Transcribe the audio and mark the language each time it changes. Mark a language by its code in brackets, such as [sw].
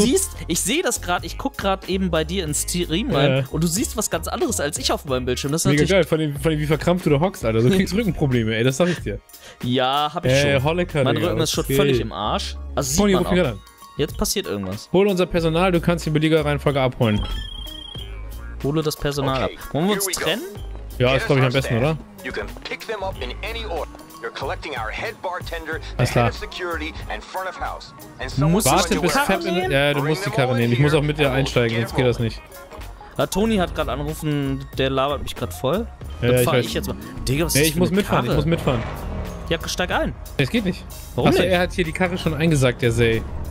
[de] Nee, also du siehst, ich sehe das gerade, ich guck gerade eben bei dir ins Stream rein und du siehst was ganz anderes als ich auf meinem Bildschirm. Das ist mega geil, von dem, wie verkrampft du da hockst, Alter. So kriegst Rückenprobleme, ey, das sag ich dir. Ja, hab ich schon. Holleker, mein Rücken ist schon völlig im Arsch. Also sieht Pony, man auch. An. Jetzt passiert irgendwas. Hol unser Personal, du kannst die Belegereihenfolge abholen. Hole das Personal ab. Wollen wir uns trennen? Ja, das glaube ich am besten, oder? [en] You can pick them up in any order. You're collecting our head bartender, the head of security and front of house. And so [de] musst du die Karre nehmen? Ja, du musst die Karre nehmen. Ich muss auch mit dir einsteigen, sonst geht das nicht. Ja, Toni hat gerade angerufen, der labert mich gerade voll. Dann fahre ich jetzt mal. Digga, was ist das? Ich muss mitfahren, ich muss mitfahren. Ja, steig ein. Es geht nicht. Warum nicht? Er hat hier die Karre schon eingesackt, der Zay.